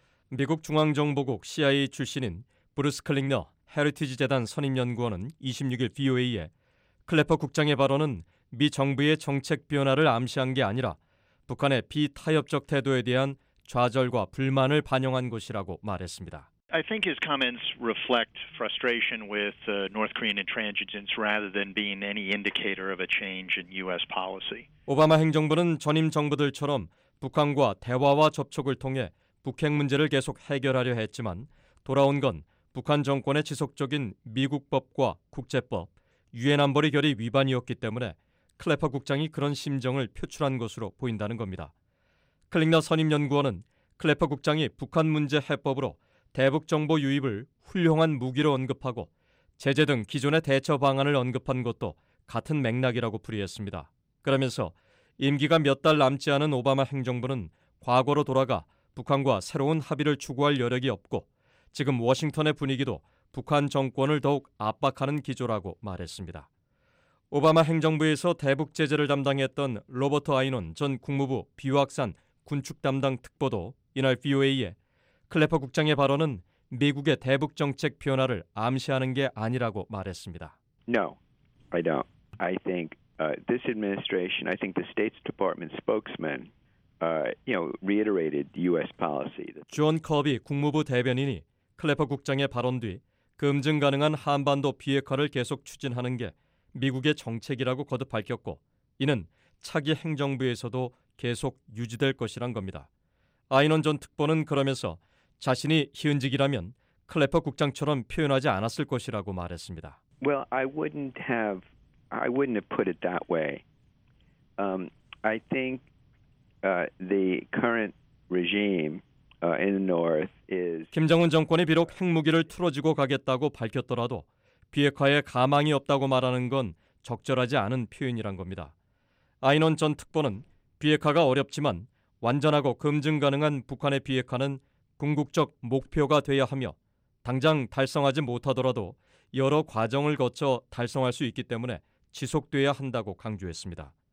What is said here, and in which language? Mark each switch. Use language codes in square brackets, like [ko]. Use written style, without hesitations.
[ko] 미국 중앙정보국 CIA 출신인 브루스 클링너 헤리티지 재단 선임연구원은 26일 VOA에 클래퍼 국장의 발언은 미 정부의 정책 변화를 암시한 게 아니라 북한의 비타협적 태도에 대한 좌절과 불만을 반영한 것이라고 말했습니다. [en] I think his comments reflect frustration with North Korean intransigence rather than being any indicator of a change in U.S. policy. [ko] 오바마 행정부는 전임 정부들처럼 북한과 대화와 접촉을 통해 북핵 문제를 계속 해결하려 했지만 돌아온 건 북한 정권의 지속적인 미국법과 국제법, 유엔 안보리 결의 위반이었기 때문에 클래퍼 국장이 그런 심정을 표출한 것으로 보인다는 겁니다. 클링너 선임 연구원은 클래퍼 국장이 북한 문제 해법으로 대북 정보 유입을 훌륭한 무기로 언급하고 제재 등 기존의 대처 방안을 언급한 것도 같은 맥락이라고 풀이했습니다. 그러면서 임기가 몇 달 남지 않은 오바마 행정부는 과거로 돌아가 북한과 새로운 합의를 추구할 여력이 없고 지금 워싱턴의 분위기도 북한 정권을 더욱 압박하는 기조라고 말했습니다. 오바마 행정부에서 대북 제재를 담당했던 로버트 아이논 전 국무부 비확산 군축 담당 특보도 이날 VOA에 클래퍼 국장의 발언은 미국의 대북 정책 변화를 암시하는 게 아니라고 말했습니다. [en] No, I don't. I think this administration, I think the State Department spokesman, reiterated U.S. policy. [ko] 존 커비 국무부 대변인이 클래퍼 국장의 발언 뒤 검증 가능한 한반도 비핵화를 계속 추진하는 게 미국의 정책이라고 거듭 밝혔고 이는 차기 행정부에서도 계속 유지될 것이란 겁니다. 아이논 전 특보는 그러면서 자신이 희은직이라면 클래퍼 국장처럼 표현하지 않았을 것이라고 말했습니다. [en] Well, I wouldn't have put it that way. I think the current regime in the north is [ko] 김정은 정권이 비록 핵무기를 틀어지고 가겠다고 밝혔더라도 비핵화에 가망이 없다고 말하는 건 적절하지 않은 표현이란 겁니다. 아이논 전 특보는 비핵화가 어렵지만 완전하고 검증 가능한 북한의 비핵화는 궁극적 목표가 되어야 하며 당장 달성하지 못하더라도 여러 과정을 거쳐 달성할 수 있기 때문에 지속돼야 한다고 강조했습니다.